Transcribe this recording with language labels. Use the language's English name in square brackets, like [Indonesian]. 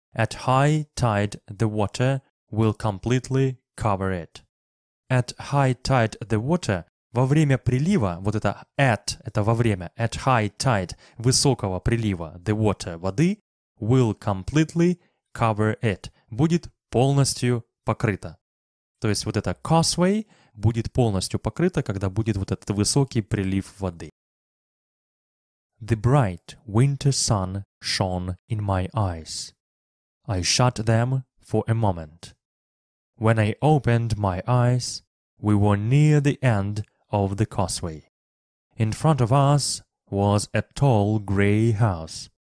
[English] At high tide, the water will completely cover it. At high tide, the water. [Russian] Во время прилива, вот это at, это во время. [English] At high tide, [Russian] высокого прилива, [English] the water, [Russian] воды, [English] will completely cover it. [Russian] Будет полностью покрыто. То есть вот это causeway будет полностью покрыто, когда будет вот этот высокий прилив воды. [English] The bright winter sun shone in my eyes. I shut them for a moment. When I opened my eyes, we were near the end of the causeway. In front of us was a tall gray house.